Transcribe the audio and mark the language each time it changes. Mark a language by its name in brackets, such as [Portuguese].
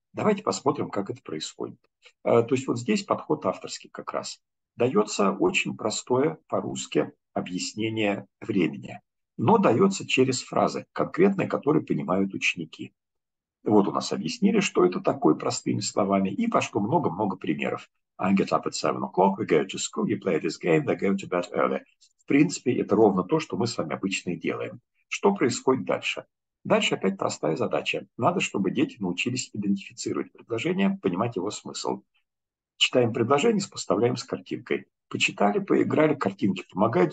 [Russian] Давайте посмотрим, как это происходит. То есть вот здесь подход авторский как раз. Дается очень простое по-русски объяснение времени, но дается через фразы конкретные, которые понимают ученики. Вот у нас объяснили, что это такое простыми словами, и пошло много-много примеров. [English] I get up at 7 o'clock, we go to school, we play this game, they go to bed early. [Russian] В принципе, это ровно то, что мы с вами обычно и делаем. Что происходит дальше? Дальше опять простая задача. Надо, чтобы дети научились идентифицировать предложение, понимать его смысл. Читаем предложение, сопоставляем с картинкой. Почитали, поиграли, картинки помогают.